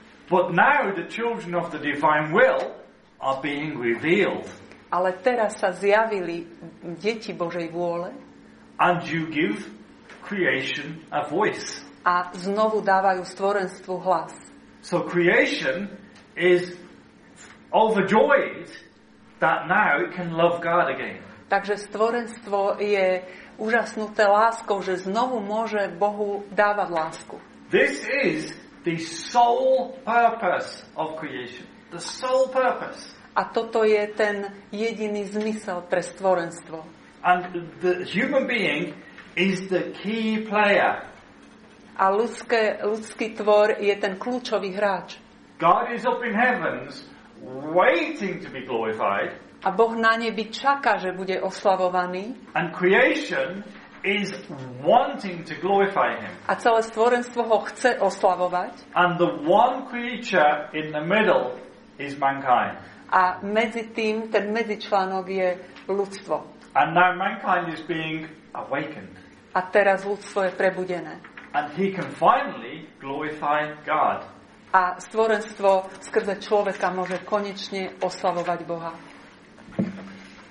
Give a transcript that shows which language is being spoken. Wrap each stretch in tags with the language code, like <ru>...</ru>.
<en>But now the children of the divine will are being revealed.</en> <sk>Ale teraz sa zjavili deti Božej vôle.</sk> <en>And you give creation a voice.</en> <sk>A znovu dávajú stvorenstvu hlas.</sk> <en>So creation is overjoyed that now it can love God again.</en> <sk>Takže stvorenstvo je úžasnuté láskou, že znovu môže Bohu dávať lásku.</sk> <en>This is the sole purpose of creation. The sole purpose.</en> <sk>A toto je ten jediný zmysel pre stvorenstvo.</sk> <en>And the human being is the key player.</en> <sk>A ľudský tvor je ten kľúčový hráč.</sk> <en>God is up in heavens waiting to be glorified.</en> <sk>A Boh na nebi čaká, že bude oslavovaný.</sk> <en>And creation is wanting to glorify him.</en> <sk>A celé stvorenstvo ho chce oslavovať.</sk> <en>And the one creature in the middle is mankind.</en> <sk>A medzi tým ten medzičlánok je ľudstvo.</sk> <en>And now mankind is being awakened.</en> <sk>A teraz ľudstvo je prebudené.</sk> <en>And he can finally glorify God.</en> <sk>A stvorenstvo skrze človeka môže konečne oslavovať Boha.</sk> <en>Thank you.</en>